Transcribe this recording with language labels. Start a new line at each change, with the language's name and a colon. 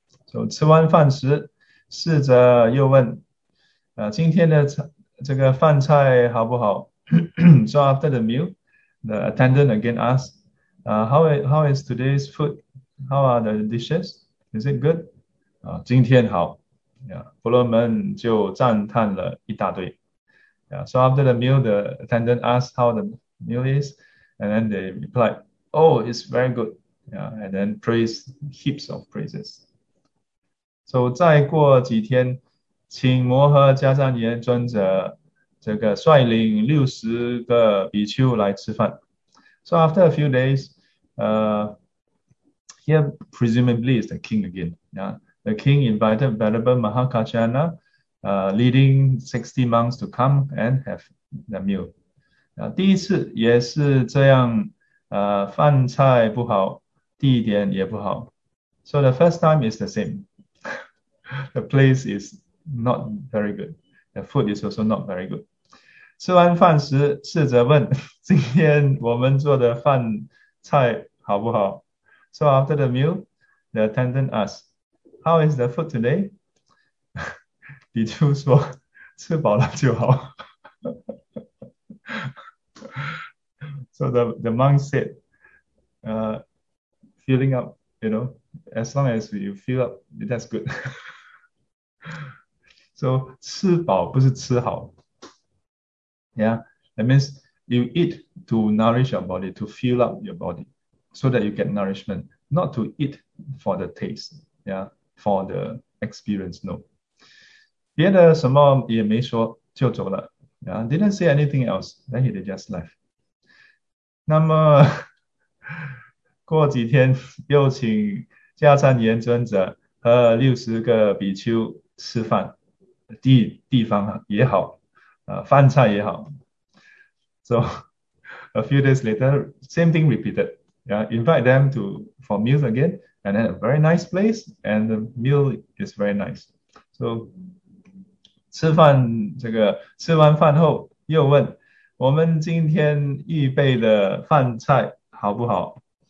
Chinese: So 吃完饭时, 侍者又问, 今天的这个饭菜好不好?
English: So after the meal, the attendant again asked, how is today's food? How are the dishes? Is it good?
Chinese: 今天好. Yeah, 婆罗门就赞叹了一大堆.
English: Yeah, so after the meal, the attendant asked how the meal is, and then they replied, oh, it's very good. Yeah, and then praise heaps of praises.
Chinese: So 再过几天, 请摩诃迦旃延尊者 这个率领60个比丘来吃饭.
English: So after a few days, here presumably is the king again. Yeah, the king invited Venerable Mahakachana, leading 60 monks to come and have the meal.
Chinese: 第一次也是这样, 饭菜不好, 地点也不好.
English: So the first time is the same. The place is not very good. The food is also not very good.
Chinese: 吃完饭时, 侍者问, 今天我们做的饭菜好不好?
English: So after the meal, the attendant asked, how is the food today?
Chinese: 比丘说, 吃饱了就好.
English: So the monk said, filling up, you know, as long as you fill up, that's good.
Chinese: So 吃饱不是吃好.
English: Yeah, that means you eat to nourish your body, to fill up your body, so that you get nourishment, not to eat for the taste, yeah, for the experience, no.
Chinese: 别的什么也没说就走了,
English: yeah, didn't say anything else, then he just left.
Chinese: 那么过几天又请迦旃延尊者和60个比丘吃饭,地方也好, 饭菜也好.
English: So a few days later, same thing repeated. Yeah, invite them to for meals again, and then a very nice place, and the meal is very nice.
Chinese: So 吃完饭后又问我们今天预备的饭菜好不好?